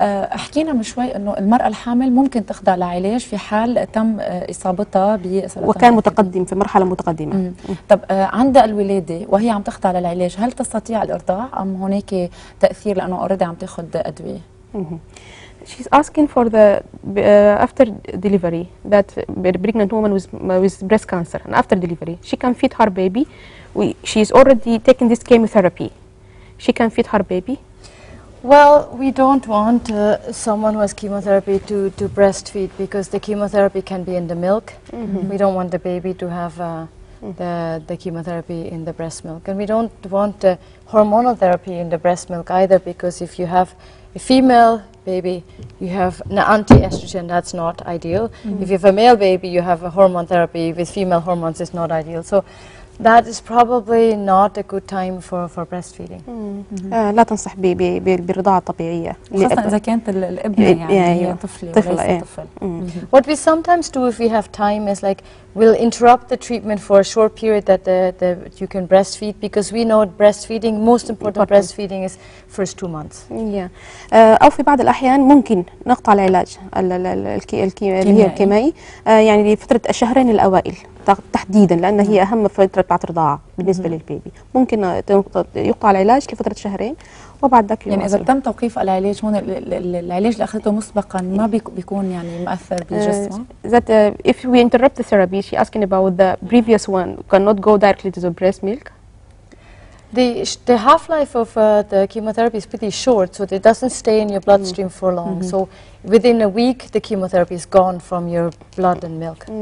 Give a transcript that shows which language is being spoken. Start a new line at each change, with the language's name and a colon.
Arabic: حكينا من شوي انه المراه الحامل ممكن تخضع لعلاج في حال تم اصابتها بسرطان وكان متقدم في مرحله متقدمه طب عند الولاده وهي عم تخضع للعلاج هل تستطيع الارضاع ام هناك تاثير لانه اوريدي عم تاخذ ادويه
English: She's asking for the after delivery that pregnant woman with breast cancer and after delivery she can feed her baby she's already taking this chemotherapy she can feed her baby Well, we don't want someone who has chemotherapy to breastfeed because the chemotherapy can be in the milk. Mm-hmm. We don't want the baby to have the chemotherapy in the breast milk. And we don't want hormonal therapy in the breast milk either because if you have a female baby, you have an anti-estrogen, that's not ideal. Mm-hmm. If you have a male baby, you have a hormone therapy with female hormones, it's not ideal. So. That is probably not a good time for breastfeeding.
Arabic: لا تنصح بالرضاعة الطبيعية. خاصة إذا كانت الابنة يعني طفلة وليس طفل.
English: What we sometimes do if we have time is like we'll interrupt the treatment for a short period that the you can breastfeed because we know breastfeeding most important breastfeeding is first two months.
Arabic: أو في بعض الأحيان ممكن نقطع العلاج الكيميائي يعني لفترة الشهرين الأوائل. تحديدا لان هي اهم فتره بعد الرضاعه بالنسبه للبيبي ممكن يقطع العلاج لفتره شهرين وبعد ذاك يعني اذا تم توقيف العلاج هون العلاج اللي اخذته مسبقا ما بيكون يعني مؤثر بالجسم
English: that if we interrupt the therapy she asking about the previous one cannot go directly to the breast milk the half life of the chemotherapy is pretty short so it doesn't stay in your bloodstream for long so within a week the chemotherapy is gone from your blood and milk